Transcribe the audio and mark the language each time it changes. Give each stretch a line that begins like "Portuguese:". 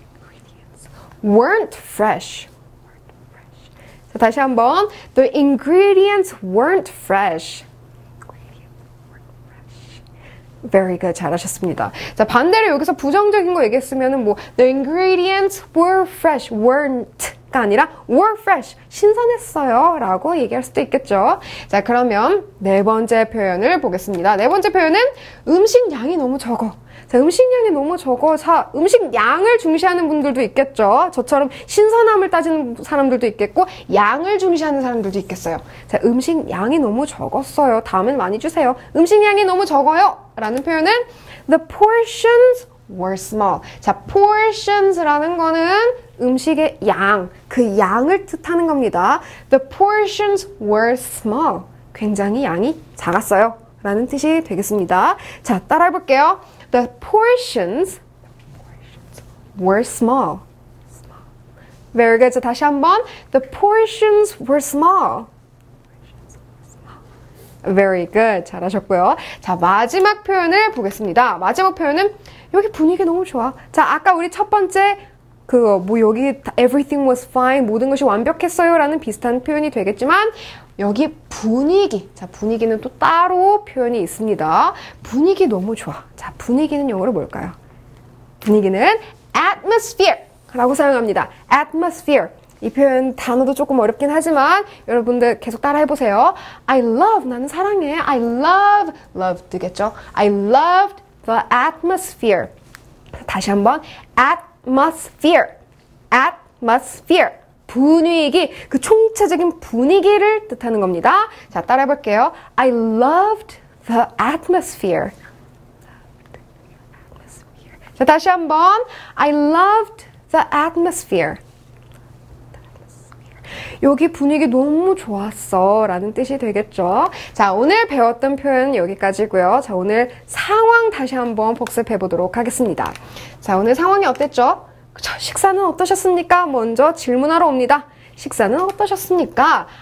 English: The ingredients weren't fresh.
Korean: 자, 다시 한번.
English: The ingredients weren't fresh. Very good.
Korean: 잘하셨습니다. 자, 반대로 여기서 부정적인 거 얘기했으면은 뭐,
English: the ingredients were fresh, weren't.
Korean: fresh가 아니라
English: were fresh,
Korean: 신선했어요 라고 얘기할 수도 있겠죠. 자, 그러면 네 번째 표현을 보겠습니다. 네 번째 표현은 음식량이 너무 적어. 자, 음식량이 너무 적어. 자, 음식량을 중시하는 분들도 있겠죠. 저처럼 신선함을 따지는 사람들도 있겠고 양을 중시하는 사람들도 있겠어요. 자, 음식량이 너무 적었어요. 다음엔 많이 주세요. 음식량이 너무 적어요 라는 표현은
English: the portions were small.
Korean: 자, portions라는 거는 음식의 양, 그 양을 뜻하는 겁니다.
English: The portions were small.
Korean: 굉장히 양이 작았어요 라는 뜻이 되겠습니다. 자, 따라 해볼게요.
English: The portions were small. Very good.
Korean: 자, 다시 한번.
English: The portions were small. Very good.
Korean: 잘하셨고요. 자, 마지막 표현을 보겠습니다. 마지막 표현은 여기 분위기 너무 좋아. 자, 아까 우리 첫 번째 그거 뭐 여기
English: everything was fine,
Korean: 모든 것이 완벽했어요 라는 비슷한 표현이 되겠지만 여기 분위기, 자, 분위기는 또 따로 표현이 있습니다. 분위기 너무 좋아. 자, 분위기는 영어로 뭘까요? 분위기는 atmosphere라고 사용합니다.
English: atmosphere.
Korean: 이 표현 단어도 조금 어렵긴 하지만 여러분들 계속 따라 해보세요.
English: I love,
Korean: 나는 사랑해.
English: I love, love 되겠죠? I loved the atmosphere.
Korean: 다시 한번 atmosphere, atmosphere, 분위기, 그 총체적인 분위기를 뜻하는 겁니다. 자, 따라 해볼게요.
English: I loved the atmosphere.
Korean: 자, 다시 한번
English: I loved the atmosphere.
Korean: 여기 분위기 너무 좋았어 라는 뜻이 되겠죠. 자, 오늘 배웠던 표현 여기까지고요. 자, 오늘 상황 다시 한번 복습해 보도록 하겠습니다. 자, 오늘 상황이 어땠죠? 그쵸? 식사는 어떠셨습니까? 먼저 질문하러 옵니다. 식사는 어떠셨습니까?